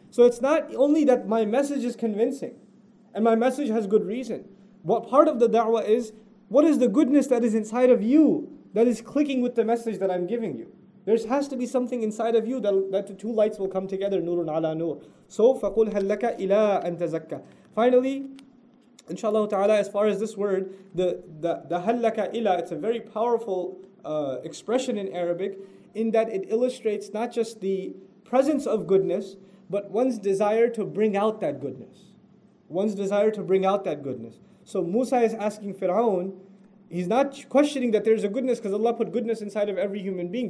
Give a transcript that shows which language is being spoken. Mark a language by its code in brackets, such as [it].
[en] So it's not only that my message is convincing and my message has good reason. What part of the da'wah is, what is the goodness that is inside of you that is clicking with the message that I'm giving you? There has to be something inside of you that the two lights will come together, nurun ala nur. [ar] So, فَقُلْ هَلْ لَكَ إِلَىٰ أَن تَزَكَّى. [en] Finally, inshallah ta'ala, as far as this word, the [ar] هَلْ لَكَ إِلَىٰ, [en] it's a very powerful expression in Arabic, in that it illustrates not just the presence of goodness, but one's desire to bring out that goodness. One's desire to bring out that goodness. So Musa is asking Fir'aun, he's not questioning that there's a goodness because Allah put goodness inside of every human being.